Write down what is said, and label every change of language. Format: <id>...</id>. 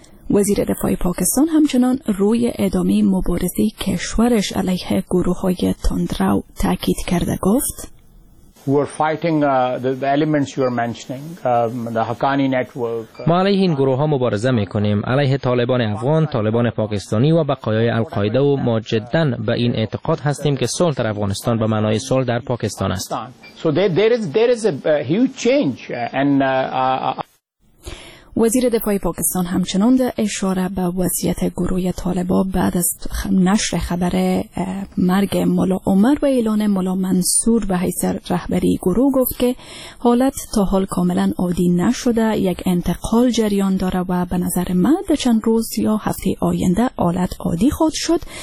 <fa>وزیر دفاع پاکستان همچنان روی ادامه مبارزه کشورش علیه گروه های تندرو تاکید کرده گفت</fa> <en>who are fighting the elements you are mentioning the Haqqani network.</en> <fa>ما علیه این گروه ها مبارزه میکنیم، علیه طالبان افغان، طالبان پاکستانی و بقایای القاعده، و ما جدا به این اعتقاد هستیم که صلح در افغانستان به معنای صلح در پاکستان است.</fa> <en>So there is a huge change and</en> <fa>وزیر دفاع پاکستان همچنان در اشاره به وضعیت گروه طالبا بعد از نشر خبر مرگ ملا عمر و اعلان ملا منصور به حیث رهبری گروه گفت که حالت تا حال کاملا عادی نشده، یک انتقال جریان داره و به نظر من در چند روز یا هفته آینده حالت عادی خود شد.</fa>